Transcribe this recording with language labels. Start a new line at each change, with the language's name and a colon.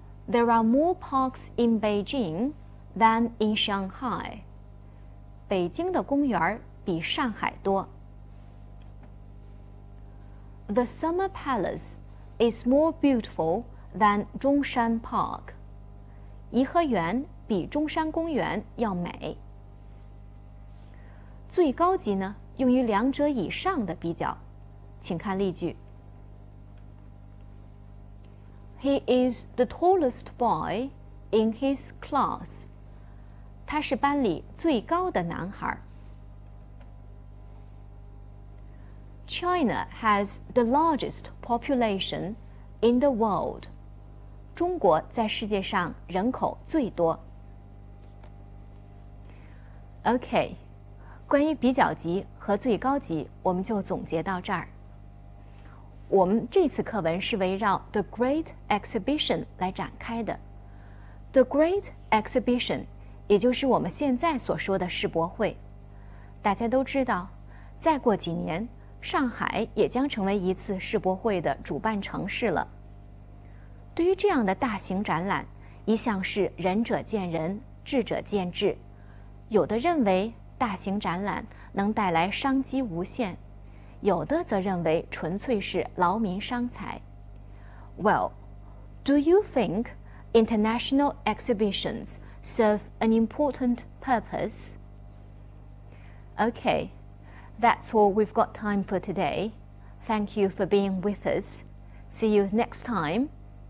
English: There are more parks in Beijing than in Shanghai.
Chinese: 北京的公园比上海多。
English: The Summer Palace is more beautiful than Zhongshan Park.
Chinese: 颐和园比中山公园要美。最高级呢，用于两者以上的比较，请看例句。
English: He is the tallest boy in his class.
Chinese: 他是班里最高的男孩。
English: China has the largest population in the world.
Chinese: 中国在世界上人口最多。 OK, 关于比较级和最高级我们就总结到这儿。我们这次课文是围绕 The Great Exhibition 来展开的。 The Great Exhibition 也就是我们现在所说的世博会。大家都知道，再过几年，上海也将成为一次世博会的主办城市了。对于这样的大型展览，一向是仁者见仁，智者见智。有的认为大型展览能带来商机无限，有的则认为纯粹是劳民伤财。
English: Well, do you think international exhibitions serve an important purpose? Okay, that's all we've got time for today. Thank you for being with us. See you next time.